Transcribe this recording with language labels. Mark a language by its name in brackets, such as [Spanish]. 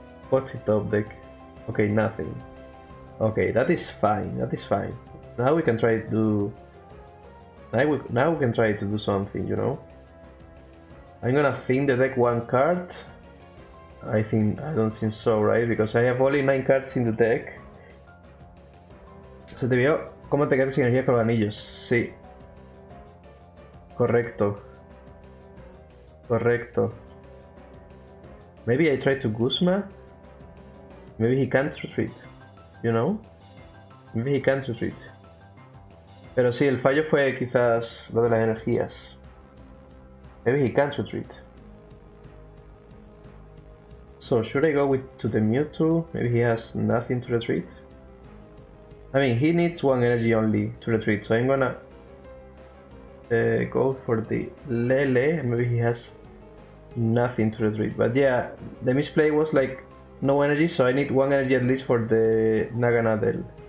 [English] What's he top deck? Okay, nothing. Okay, that is fine. That is fine. Now we can try to do. Now we can try to do something, you know. I'm gonna thin the deck one card. I don't think so, right? Because I have only 9 cards in the deck. [Spanish] Se te vio cómo te quedas sin energía con los anillos. Sí. Correcto. Correcto. [English] Maybe I try to Guzma. Maybe he can't retreat. You know? Maybe he can't retreat. [Spanish] Pero sí, el fallo fue quizás lo de las energías. [English] Maybe he can't retreat. So, should I go with to the Mewtwo? Maybe he has nothing to retreat. I mean, he needs one energy only to retreat, so I'm gonna go for the Lele. Maybe he has nothing to retreat. But yeah, the misplay was like no energy, so I need one energy at least for the Naganadel.